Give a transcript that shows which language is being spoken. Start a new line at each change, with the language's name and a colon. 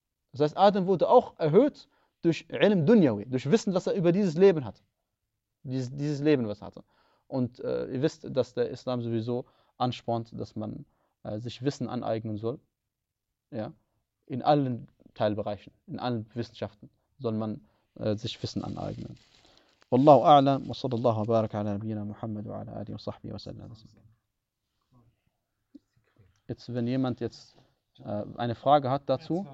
German: Das heißt, Adam wurde auch erhöht durch Ilm Dunyawi, durch Wissen, was er über dieses Leben hat. Dieses Leben, was er hatte. Und ihr wisst, dass der Islam sowieso anspornt, dass man sich Wissen aneignen soll. Ja? In allen Teilbereichen, in allen Wissenschaften soll man sich Wissen aneignen.
Arabic: والله أعلم وصلى الله وبارك على نبينا محمد وعلى آله وصحبه وسلم.
German: Jetzt, wenn jemand jetzt eine Frage hat dazu.